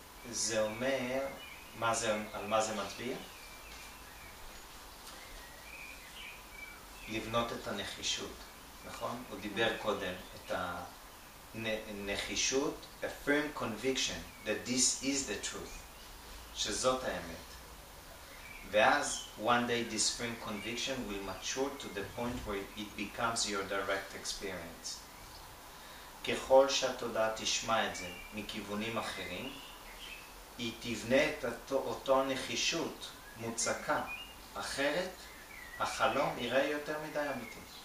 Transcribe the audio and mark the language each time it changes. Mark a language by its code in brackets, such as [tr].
[he] זה אומר... מה זה, על מה זה מטביע? לבנות את הנחישות, נכון? הוא דיבר קודם את הנחישות, [en] a firm conviction that this is the truth, [he] שזאת האמת. ואז, [en] one day this firm conviction will mature to the point where it becomes your direct experience. [he] ככל שהתודעה תשמע את זה מכיוונים אחרים, היא תבנה את אותו נחישות מוצקה, אחרת החלום יראה יותר מדי אמיתי.